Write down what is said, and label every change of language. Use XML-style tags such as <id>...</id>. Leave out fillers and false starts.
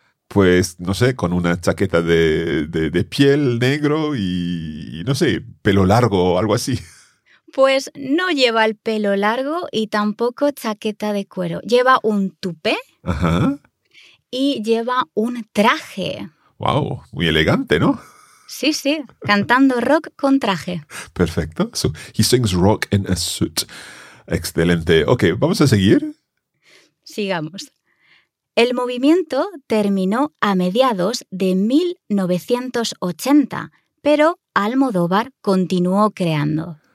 <es>Pues, no sé, con una chaqueta de piel negro y, no sé, pelo largo o algo así. Pues no lleva el pelo largo y tampoco chaqueta de cuero. Lleva un tupé. Ajá. Y lleva un traje. Wow, muy elegante, ¿no? Sí, sí, cantando rock con traje. Perfecto.</es> <en>So he sings rock in a suit.</en> <es>Excelente. Ok, ¿vamos a seguir? Sigamos. El movimiento terminó a mediados de 1980, pero Almodóvar continuó creando.</es>